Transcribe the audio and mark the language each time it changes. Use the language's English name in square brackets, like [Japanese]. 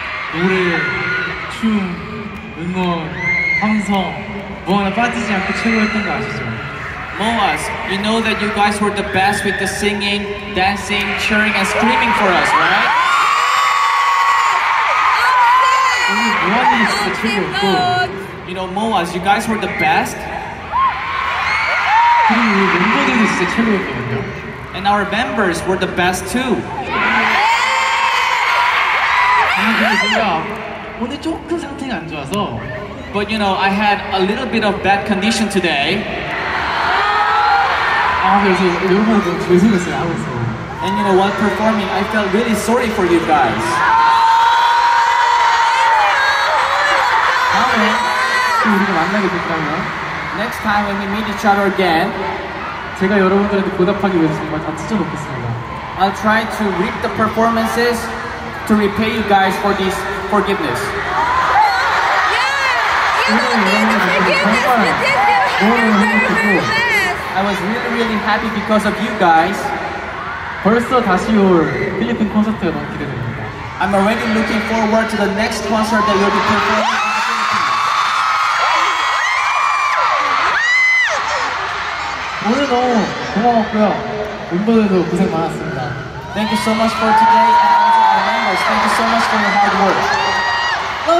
[Korean] 노래, 춤, 응원, 방송, 모아나 빠지지 않고 최고였던 거 아시죠? [English] MOAs, you know that you guys were the best with the singing, dancing, cheering, and screaming for us, right? [Korean] 진짜 [English] You know, MOAs, you guys were the best. [Korean] 그리고 우리 멤버들도 진짜 최고였거든요. [English] And our members were the best too. [Korean] 근데 제가 오늘 조금 상태가 안 좋아서 [English] But you know, I had a little bit of bad condition today. [Korean] 그래서 여러분들 죄송했어요, 알았어. [English] And you know, while performing, I felt really sorry for you guys. [Korean] 우리가 만나게 됐다면 [English] Next time when we meet each other again [Korean] 제가 여러분들한테 보답하기 위해서 정말 다 찢어놓겠습니다 [English] I'll try to rip the performances to repay you guys for this forgiveness I was really really happy because of you guys [Korean] 벌써 다시 올 필리핀 콘서트가 너무 기대됩니다 [English] I'm already looking forward to the next concert that you'll be performing Thank you so much for today and also our members. Thank you so much for your hard work.